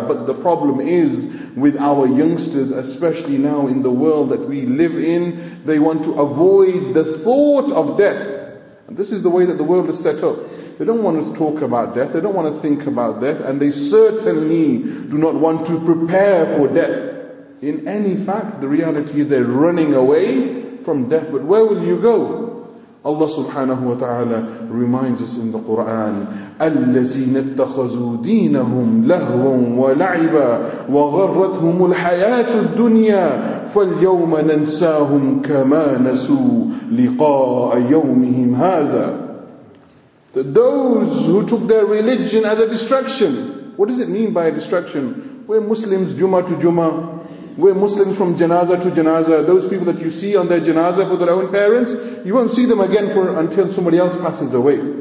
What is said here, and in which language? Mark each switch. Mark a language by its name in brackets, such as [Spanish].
[English] But the problem is, with our youngsters, especially now in the world that we live in, they want to avoid the thought of death. And this is the way that the world is set up. They don't want to talk about death, they don't want to think about death, and they certainly do not want to prepare for death. In any fact, the reality is they're running away from death. But where will you go? Allah subhanahu wa ta'ala reminds us in the Quran, [Arabic] الَّذِينَ اتَّخَذُوا دِينَهُمْ لَهْوًا وَلَعِبًا وَغَرَّتْهُمُ الْحَيَاةُ الدُّنْيَا فَالْيَوْمَ نَنْسَاهُمْ كَمَا نَسُوا لِقَاءَ يَوْمِهِمْ هَذَا. [English] Those who took their religion as a distraction. What does it mean by a distraction? We're Muslims, Jummah to Jummah. We're Muslims from janazah to janazah. Those people that you see on their janazah for their own parents, you won't see them again for until somebody else passes away.